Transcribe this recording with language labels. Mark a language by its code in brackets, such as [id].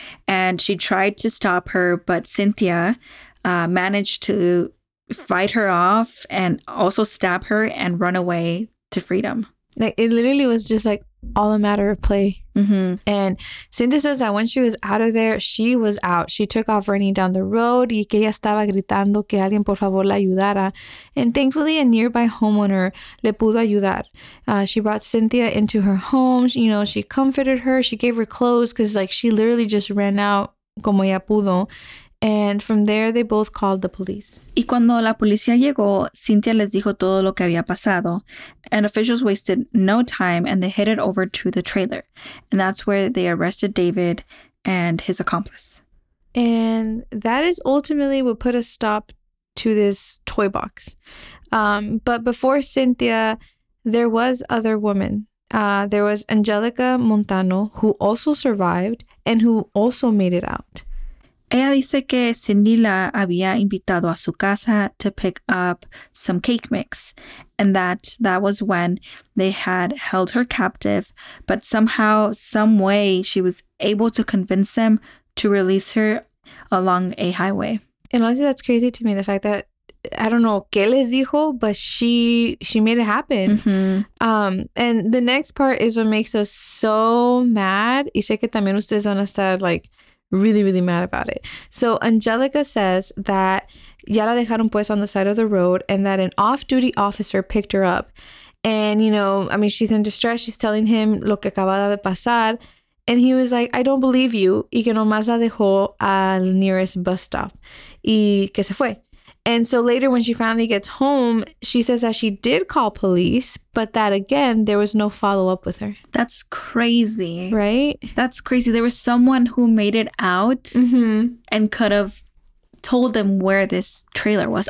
[en] And she tried to stop her, but Cynthia managed to fight her off and also stab her and run away to freedom. Like it literally was just like all a matter of play. Mm-hmm. And Cynthia says that when she was out of there, she was out. She took off running down the road [es] y que ella estaba gritando que alguien por favor la ayudara. [en] And thankfully, a nearby homeowner [es] le pudo ayudar. [en] She brought Cynthia into her home. She, you know, she comforted her. She gave her clothes because like she literally just ran out [es] como ella pudo. [en] And from there, they both called the police. [es] Y cuando la policía llegó, Cynthia les dijo todo lo que había pasado. [en] And officials wasted no time and they headed over to the trailer. And that's where they arrested David and his accomplice. And that is ultimately what put a stop to this toy box. But before Cynthia, there was other women. There was Angelica Montano, who also survived and who also made it out. [es] Ella dice que Cindy la había invitado a su casa [en] to pick up some cake mix and that was when they had held her captive, but somehow, some way, she was able to convince them to release her along a highway. And honestly, that's crazy to me, the fact that, I don't know [es] qué les dijo, [en] but she made it happen. Mm-hmm. And the next part is what makes us so mad. [es] Y sé que también ustedes van a estar [en] like, really, really mad about it. So Angelica says that [es] ya la dejaron pues [en] on the side of the road and that an off-duty officer picked her up. And, you know, I mean, she's in distress. She's telling him [es] lo que acababa de pasar. [en] And he was like, I don't believe you. [es] Y que nomás la dejó al [en] nearest bus stop. [es] Y que se fue. [en] And so later when she finally gets home, she says that she did call police, but that again, there was no follow-up with her. That's crazy. Right? That's crazy. There was someone who made it out mm-hmm. and could have told them where this trailer was.